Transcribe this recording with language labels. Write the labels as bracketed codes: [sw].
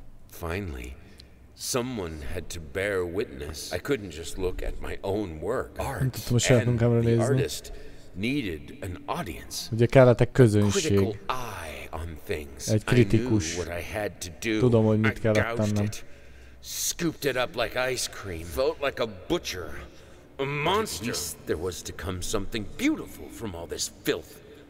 [en] Finally, someone had to bear witness. I couldn't just look at my own work. Art and the artist needed an audience. [hu] Ugye kellettek közönség. Egy kritikus. Tudom, hogy mit kellett tennem. [en] Scooped it up like ice cream. Felt like a butcher. A monster. At least there was to come something beautiful from all this filth.